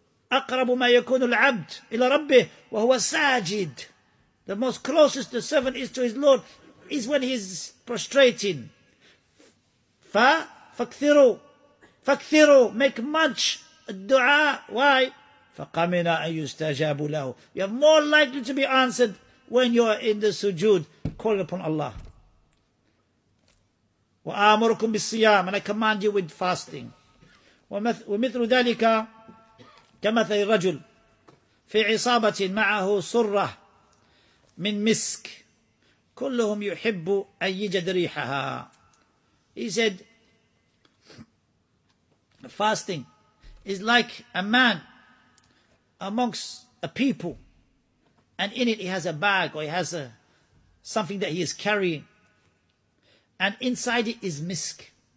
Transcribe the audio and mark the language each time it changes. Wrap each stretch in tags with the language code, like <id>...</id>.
<ar>أقرب ما يكون العبد إلى ربه وهو ساجد.</ar> <en>The most closest the servant is to his Lord is when he is prostrating.</en> <ar>فكثروا فكثروا,</ar> <en>make much الدعاء. Why?</en> <ar>فقمنا أن يستجاب له.</ar> <en>You are more likely to be answered when you are in the sujood, calling upon Allah.</en> <ar>وآمركم بالصيام,</ar> <en>and I command you with fasting.</en> <ar>ومثل ذلك كمثل الرجل في عصابة معه سرة من مسك كلهم يحب أن يجد ريحها.</ar> <en>He said, fasting is like a man amongst a people, and in it he has a bag, or he has a something that he is carrying, and inside it is misk.</en>